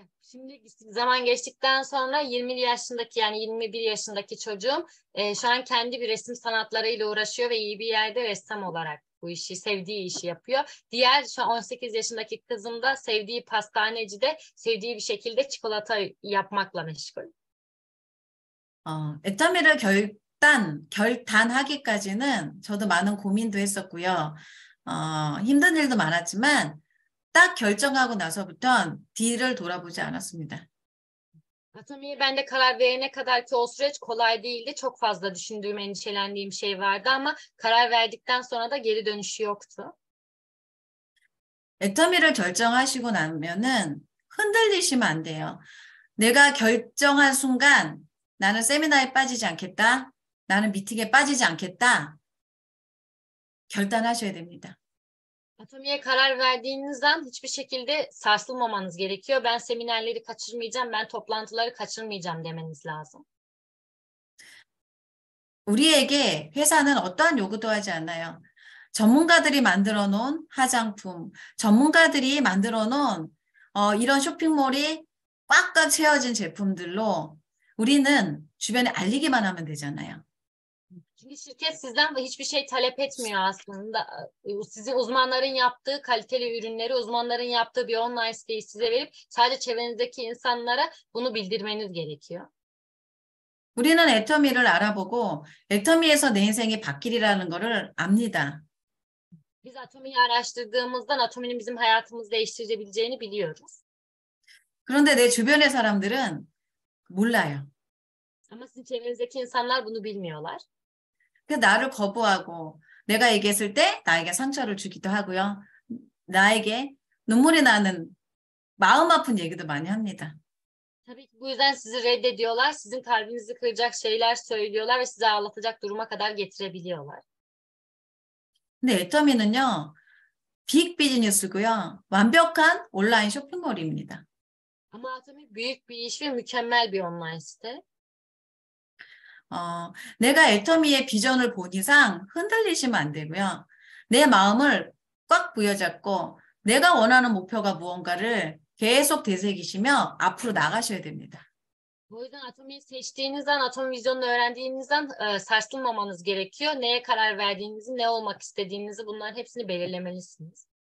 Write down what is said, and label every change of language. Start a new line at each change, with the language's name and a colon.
Turkish: Şimdi zaman geçtikten sonra 20 yaşındaki yani 21 yaşındaki çocuğum şu an kendi bir resim sanatlarıyla uğraşıyor ve iyi bir yerde ressam olarak bu işi, sevdiği işi yapıyor. Diğer şu an 18 yaşındaki kızım da sevdiği pastanecide sevdiği bir şekilde çikolata yapmakla meşgul.
Korean: 액자미를 결단하기까지는 저도 많은 고민도 했었고요. 힘든 일도 많았지만, 딱 결정하고 나서부터 뒤를 돌아보지 않았습니다.
Turkish: Atomi'yi ben de karar verene kadar ki o süreç kolay değildi. Çok fazla düşündüğüm, endişelendiğim şey vardı ama karar verdikten sonra da geri dönüşü yoktu.
Korean: ectomy를 결정하시고 나면은 흔들리시면 안 돼요. 내가 결정한 순간 나는 세미나에 빠지지 않겠다. 나는 미팅에 빠지지 않겠다. 결단하셔야 됩니다.
Turkish: Atomi'ye karar verdiğiniz an hiçbir şekilde sarsılmamanız gerekiyor. Ben seminerleri kaçırmayacağım, ben toplantıları kaçırmayacağım demeniz lazım.
Korean: 우리에게 회사는 어떠한 요구도 하지 않아요. 전문가들이 만들어 놓은 화장품, 전문가들이 만들어 놓은 이런 쇼핑몰이 꽉꽉 채워진 제품들로 우리는 주변에 알리기만 하면 되잖아요.
Turkish: Çünkü şirket sizden hiçbir şey talep etmiyor aslında. Sizin uzmanların yaptığı kaliteli ürünleri, uzmanların yaptığı bir online siteyi size verip sadece çevrenizdeki insanlara bunu bildirmeniz gerekiyor.
Korean: 우리는 애터미를 알아보고 애터미에서 내 인생이 바뀌리라는 거를 압니다.
Turkish: Biz Atomi'yi araştırdığımızdan Atomi'nin bizim hayatımızı değiştirebileceğini biliyoruz.
Korean: 그런데 내 주변의 사람들은 몰라요.
Turkish: Ama sizin çevrenizdeki insanlar bunu bilmiyorlar.
Korean: 그 나를 거부하고 내가 얘기했을 때 나에게 상처를 주기도 하고요. 나에게 눈물이 나는 마음 아픈 얘기도 많이 합니다.
Turkish: Tabii ki bu yüzden sizi reddediyorlar, sizin kalbinizi kıracak şeyler söylüyorlar ve sizi ağlatacak duruma kadar getirebiliyorlar.
Korean: 근데 애터미는요, 빅 비즈니스고요, 완벽한 온라인 쇼핑몰입니다.
Turkish: Ama Atomi büyük bir iş ve mükemmel bir online site.
Korean: 내가 애터미의 비전을 본 이상 흔들리시면 안 되고요. 내 마음을 꽉 부여잡고 내가 원하는 목표가 무언가를 계속 되새기시며 앞으로 나가셔야 됩니다.
Turkish: O yüzden Atomi'yi seçtiğiniz an, Atomi vizyonunu öğrendiğiniz an sarsılmamanız gerekiyor. Neye karar verdiğinizi, ne olmak istediğinizi bunların hepsini belirlemelisiniz.